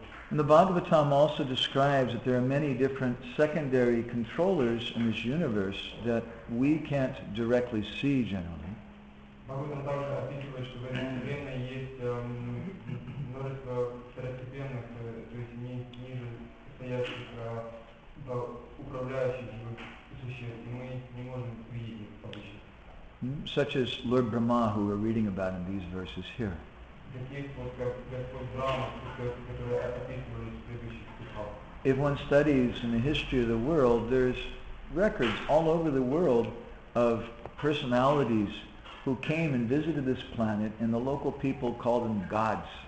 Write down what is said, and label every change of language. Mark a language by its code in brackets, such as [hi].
[en] And the Bhagavatam also describes that there are many different secondary controllers in this universe that we can't directly see generally. [ru] Бхагаватам также описывает, что в этой вселенной есть множество второстепенных, то есть ниже стоящих управляющих существ, и мы не можем видеть их обычно. [en] Such as Lord Brahma, who we're reading about in these verses here. [ru] Таких вот как Господь Брама, которые описывались в предыдущих стихах. [en] If one studies in the history of the world, there's records all over the world of personalities who came and visited this planet, and the local people called them gods.